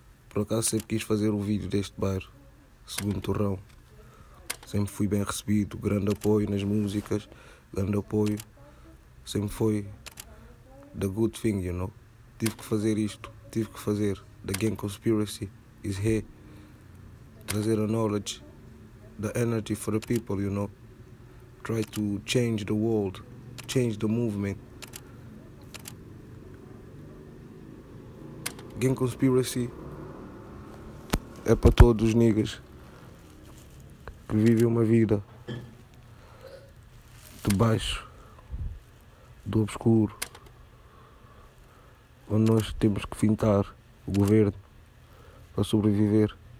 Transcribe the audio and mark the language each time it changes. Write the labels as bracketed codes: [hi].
[pt] Por acaso sempre quis fazer o vídeo deste bairro, segundo Torrão. Sempre fui bem recebido, grande apoio nas músicas, grande apoio. Sempre foi [en] the good thing, you know? [pt] Tive que fazer isto, tive que fazer. [en] The Gang Conspiracy is here. [pt] Trazer a [en] knowledge, the energy for the people, you know? Try to change the world, change the movement. [pt] Gang Conspiracy é para todos os niggas que vivem uma vida debaixo do obscuro, onde nós temos que fintar o governo para sobreviver.